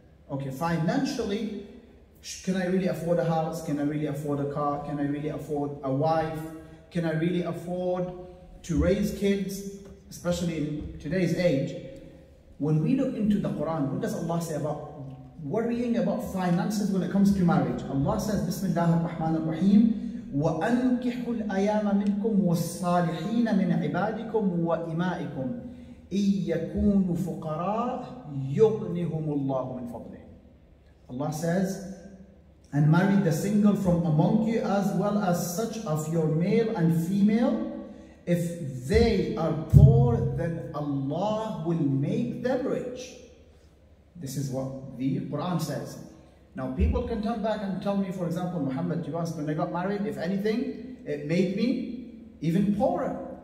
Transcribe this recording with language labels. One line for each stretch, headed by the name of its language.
English: Okay, financially, can I really afford a house? Can I really afford a car? Can I really afford a wife? Can I really afford to raise kids? Especially in today's age, when we look into the Quran, what does Allah say about worrying about finances when it comes to marriage?
Arabic: Allah says, Bismillah ar-Rahman ar-Rahim, وَأَنْكِحُ الْأَيَامَ مِنْكُمْ وَالصَّالِحِينَ مِنْ عِبَادِكُمْ وَإِمَائِكُمْ إِنْ يَكُونُ فُقَرَاءَ يُغْنِهُمُ اللَّهُ مِنْ فَضْلِهِ.
English: Allah says, and marry the single from among you as well as such of your male and female. If they are poor, then Allah will make them rich. This is what the Quran says. Now people can come back and tell me, for example, Muhammad, you asked when I got married, if anything, it made me even poorer.